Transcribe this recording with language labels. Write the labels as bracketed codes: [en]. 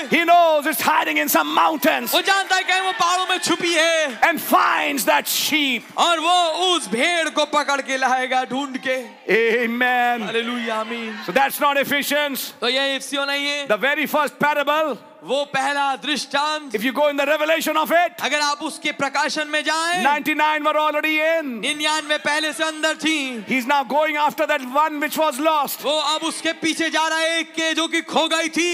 [en] He knows it's hiding in some mountains. [hi] वो जानता है कहीं वो पहाड़ों में छुपी है. [en] And finds that sheep. [hi] और वो उस भेड़ को पकड़ के लाएगा ढूंढ के. [en] Amen. Hallelujah. Amen. So that's not Ephesians. [hi] तो ये इफिसियो नहीं है. [en] The very first parable. [hi] वो पहला दृष्टांत. [en] If you go in the revelation of it, [hi] अगर आप उसके प्रकाशन में जाएं, [en] 99 were already in. [hi] 99 पहले से अंदर थीं. [en] He's now going after that one which was lost. [hi] वो अब उसके पीछे जा रहा है एक के जो कि खो गई थी.